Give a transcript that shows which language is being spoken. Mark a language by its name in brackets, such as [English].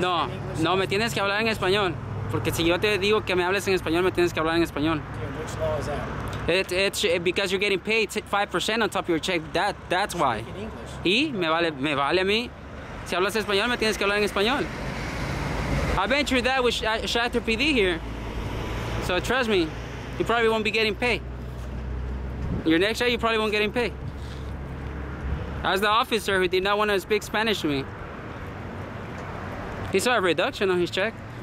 [Spanish] No, no, me tienes que hablar en español. Porque si yo te digo que me hables en español, me tienes que hablar en español. [English] Okay, which law is that? It's because you're getting paid 5% on top of your check. That's why. I speak in English. [Spanish] Y me vale a mí. Si hablas español, me tienes que hablar en español. [English] I've been through that with Shatter PD here. So trust me, you probably won't be getting paid. Your next day, you probably won't get in pay. As the officer who did not want to speak Spanish to me. He saw a reduction on his check.